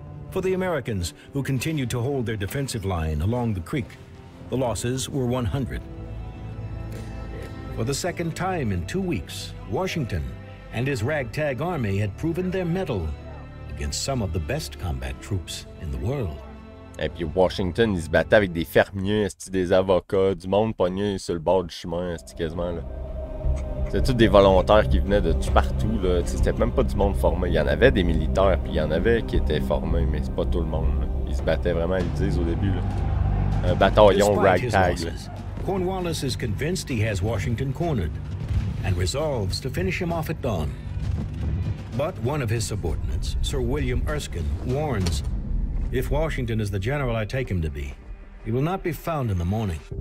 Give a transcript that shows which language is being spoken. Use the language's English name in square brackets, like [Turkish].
[English] For the Americans, who continued to hold their defensive line along the creek, the losses were 100. For the second time in 2 weeks, Washington and his ragtag army had proven their mettle against some of the best combat troops in the world. [French] Et puis Washington, il se battait avec des fermiers, des avocats, du monde pogné sur le bord du chemin, quasiment là. C'était tous des volontaires qui venaient de tout partout, là. C'était même pas du monde formé. Il y en avait des militaires, puis il y en avait qui étaient formés, mais c'est pas tout le monde. Là. Ils se battaient vraiment, ils disent au début, là. Un bataillon ragtag. [English] Cornwallis is convinced he has Washington cornered and resolves to finish him off at dawn. But one of his subordinates, Sir William Erskine, warns, if Washington is the general I take him to be, he will not be found in the morning.